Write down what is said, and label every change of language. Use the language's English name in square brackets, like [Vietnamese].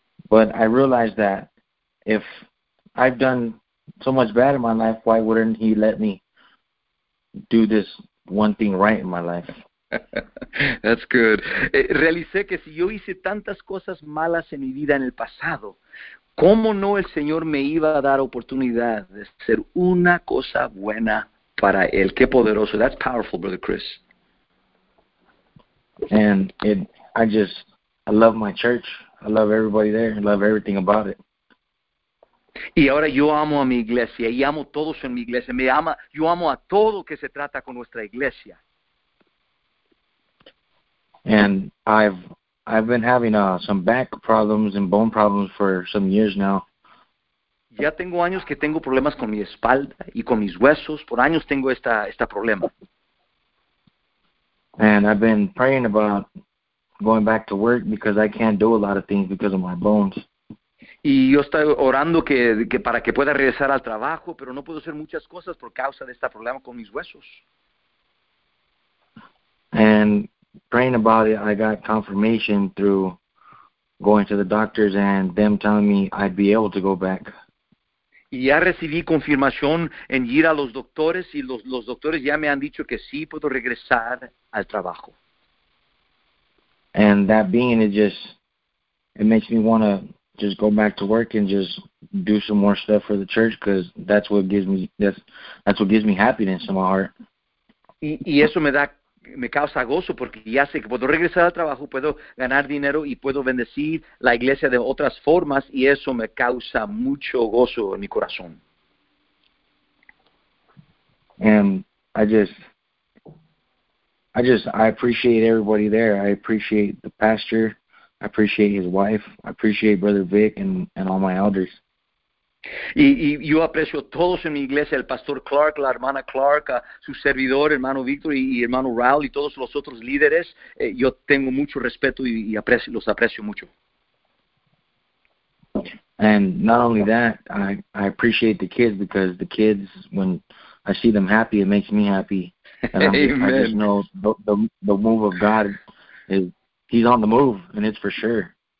[English] But I realized that if I've done so much bad in my life, why wouldn't he let me do this one thing right in my life? That's good. [Spanish] Realicé que si yo hice tantas cosas malas en mi vida en el pasado, ¿cómo no el Señor me iba a dar oportunidad de hacer una cosa buena para Él? ¡Qué poderoso! [English] That's powerful, Brother Chris. And I love my church. I love everybody there. I love everything about it. [Spanish] Y ahora yo amo a mi iglesia y amo a todos en mi iglesia. Me ama, yo amo a todo que se trata con nuestra iglesia. [English] And I've been having some back problems and bone problems for some years now. [Spanish] Ya tengo años que tengo problemas con mi espalda y con mis huesos. Por años tengo esta problema. [English] And I've been praying about going back to work because I can't do a lot of things because of my bones. [Spanish] Y yo estoy orando que para que pueda regresar al trabajo, pero no puedo hacer muchas cosas por causa de este problema con mis huesos. [English] And praying about it, I got confirmation through going to the doctors and them telling me I'd be able to go back. [Spanish] Y ya recibí confirmación en ir a los doctores y los doctores ya me han dicho que sí puedo regresar al trabajo. [English] And that being it makes me want to just go back to work and just do some more stuff for the church because that's what gives me happiness in my heart. [Spanish] Y eso me causa gozo porque ya sé que puedo regresar al trabajo, puedo ganar dinero y puedo bendecir la iglesia de otras formas y eso me causa mucho gozo en mi corazón. [English] And I appreciate everybody there. I appreciate the pastor. I appreciate his wife. I appreciate Brother Vic and all my elders. [Spanish] Y yo aprecio a todos en mi iglesia, el pastor Clark, la hermana Clark, a su servidor, hermano Victor y hermano Raúl y todos los otros líderes. Yo tengo mucho respeto y los aprecio mucho. [English] And not only that, I appreciate the kids because the kids, when I see them happy, it makes me happy. And I just know the move of God, he's on the move, and it's for sure.